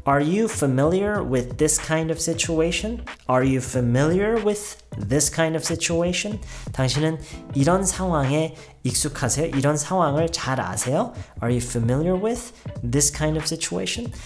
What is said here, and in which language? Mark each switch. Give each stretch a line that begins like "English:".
English: Are you familiar with this kind of situation? Are you familiar with this kind of situation?
Korean: 당신은 이런 상황에 익숙하세요? 이런 상황을 잘 아세요?
English: Are you familiar with this kind of situation?